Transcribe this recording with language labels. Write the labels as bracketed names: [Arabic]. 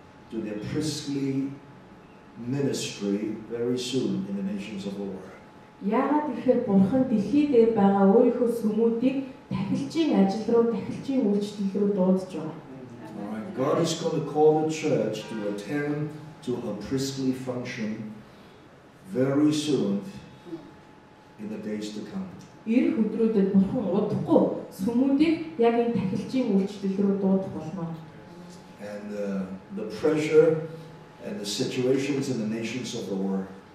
[English] to their priestly ministry very soon in the nations of the world. [Mongolian] Яагаад гэхээр Бурхан дэлхий дээр байгаа өөрийнхөө сүмүүдийг тахилчийн ажил руу, тахилчийн үйлчлэл рүү дуудаж байгаа. [English] God is going to call the church to attend to her priestly function very soon in the days to come. [Mongolian] Ирэх өдрүүдэд Бурхан удахгүй сүмүүдийг яг энэ тахилчийн үйлчлэл рүү дуудах болно. [English] And the pressure and the situations in the nations of the world.